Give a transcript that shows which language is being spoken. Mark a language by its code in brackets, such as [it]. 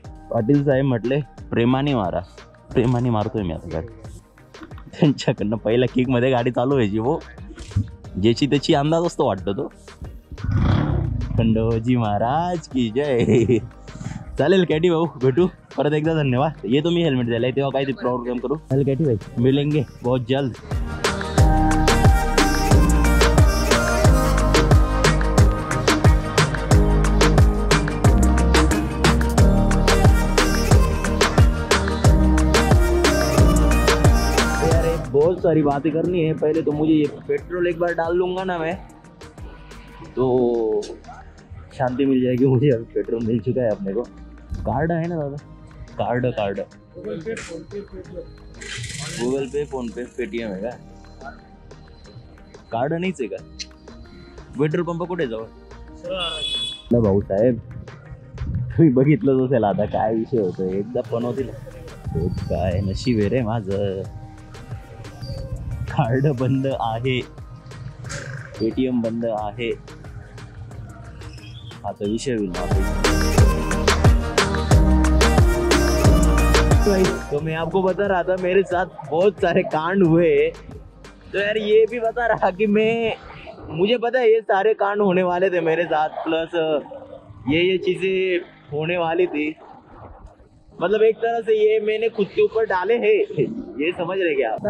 [mr] पाटील साहेब म्हटले प्रेमाने मारा, प्रेमाने मारतोय मी आता। त्यांच्याकडनं पहिला किकमध्ये गाडी चालू व्हायची भाऊ, ज्याची त्याची अंदाज असतो वाटतो तो। खंडोजी महाराज की जय। चालेल कॅटी भाऊ, भेटू परत एकदा, धन्यवाद। येतो मी हेल्मेट द्यायला, तेव्हा काही ते प्रॉब्लेम करू। [hi] चालेल कॅटी भाई, मिलेंगे बहुत जल्द। बहुत सारी बातें करनी है, पहले तो मुझे ये पेट्रोल एक बार डाल लूंगा ना मैं, तो शांति मिल जाएगी मुझे। अभी पेट्रोल मिल चुका है अपने को, कार्ड है ना दादा, कार्ड गूगल पे फोन पे पेटीएम है का? कार्ड नहीं से का? [mr] पेट्रोल पंप कुठे जाओ ना भाऊ साहेब, तुम्ही बघितलं असेल आता काय विषय होतो, एकदा पनवतील काय, नशीब रे माझ कार्ड बंद आहे, पेटीएम बंद आहे, हा तर विषय होईल। [hi] तो मैं आपको बता रहा था मेरे साथ बहुत सारे कांड हुए, तो यार ये भी बता रहा कि मुझे पता है ये सारे कांड होने वाले थे मेरे साथ, प्लस ये चीजें होने वाली थी, मतलब एक तरह से ये मैंने खुद के ऊपर डाले हैं, ये समझ रहे क्या?